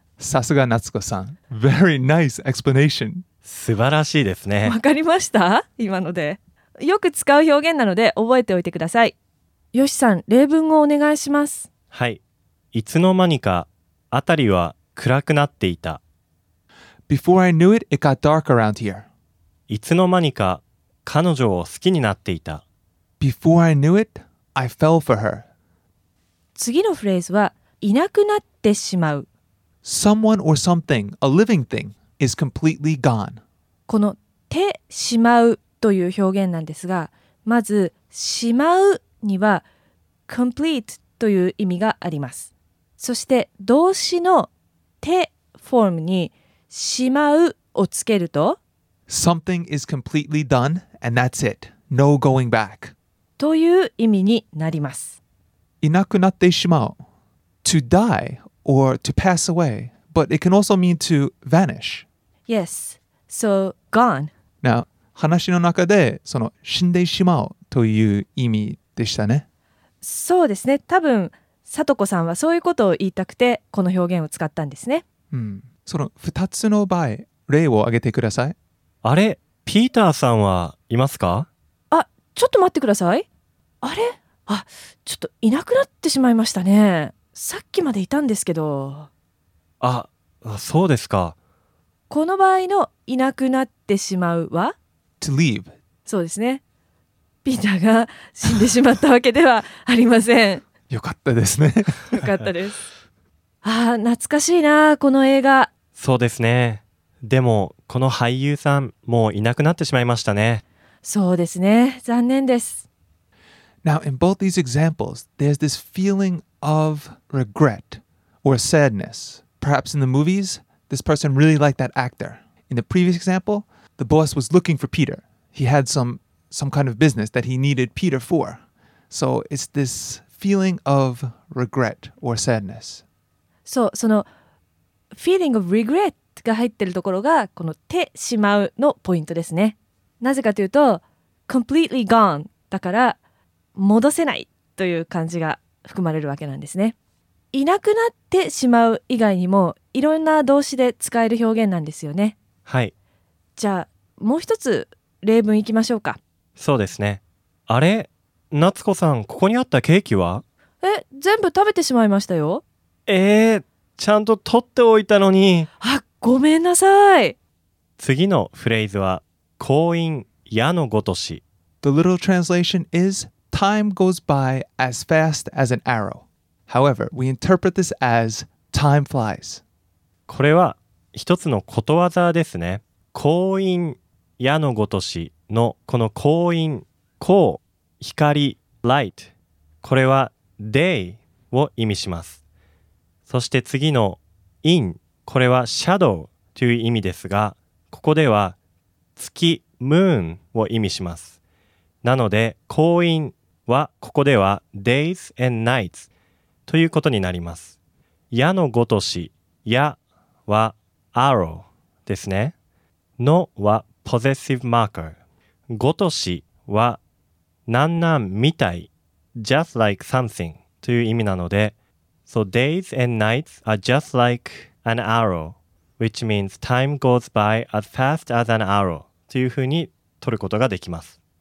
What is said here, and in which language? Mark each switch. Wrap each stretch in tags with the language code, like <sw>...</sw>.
<ja>さすが夏子さん。</ja> <en>Very nice explanation.</en> <ja>素晴らしいですね。わかりました?今ので。よく使う表現なので覚えておいてください。ヨシさん、例文をお願いします。はい。いつの間にか、あたりは暗くなっていた。</ja> <en>Before I knew it, it got dark around here.</en> <ja>いつの間にか、彼女を好きになっていた。</ja> <en>Before I knew it, I fell for her.</en> <ja>次のフレーズは、いなくなってしまう。</ja> <en>Someone or something, a living thing, is completely gone.</en> <ja>このてしまうという表現なんですが、まずしまうには complete という意味があります。そして動詞のてフォームにしまうをつけると、</ja> <en>Something is completely done and that's it. No going back.</en> <ja>という意味になります。いなくなってしまう。</ja> <en>To die or to pass away, but it can also mean to vanish. Yes, so gone.</en> <ja>Now, 話の中でその死んでしまうという意味でしたね。そうですね。多分さとこさんはそういうことを言いたくてこの表現を使ったんですね。うん。その2つの場合、例を挙げてください。あれ、ピーターさんはいますか？あ、ちょっと待ってください。あれ、あ、ちょっといなくなってしまいましたね。さっきまでいたんですけど。あ、そうですか。この場合のいなくなってしまうは</ja> <en>To leave。</en> <ja>そうですね。ピーターが死んでしまったわけではありません。よかったですね。よかったです。あ、懐かしいな、この映画。そうですね。でもこの俳優さんもういなくなってしまいましたね。そうですね、残念です。</ja> <en>Now, in both these examples, there's this feeling of regret or sadness. Perhaps in the movies, this person really liked that actor. In the previous example, the boss was looking for Peter. He had some kind of business that he needed Peter for. So it's this feeling of regret or sadness.</en> <ja>So, その</ja> <en>feeling of regret</en> <ja>が入ってるところがこの手しまうのポイントですね。なぜかというと、</ja> <en>completely gone</en> <ja>だから戻せないという感じが含まれるわけなんですね。いなくなってしまう以外にもいろんな動詞で使える表現なんですよね。はい。じゃあもう一つ例文いきましょうか。そうですね。あれ、夏子さん、ここにあったケーキは？え、全部食べてしまいましたよ。ちゃんと取っておいたのに。あ、ごめんなさい。次のフレーズは、光陰矢のごとし。</ja> <en>The literal translation is, time goes by as fast as an arrow. However, we interpret this as, time flies.</en> <ja>これは一つのことわざですね。光陰矢のごとしのこの光陰、光、光、light。これは day を意味します。そして次の in、これはシャドウという意味ですが、ここでは月、moon を意味します。なので、光陰はここでは</ja> <en>days and nights</en> <ja>ということになります。矢のごとし、矢は arrow ですね。のは</ja> <en>possessive marker。</en> <ja>ごとしはなんなんみたい、</ja> <en>just like something</en> <ja>という意味なので、</ja> <en>So days and nights are just like an arrow, which means time goes by as fast as an arrow</en> <ja>というふうに取ることができます。</ja>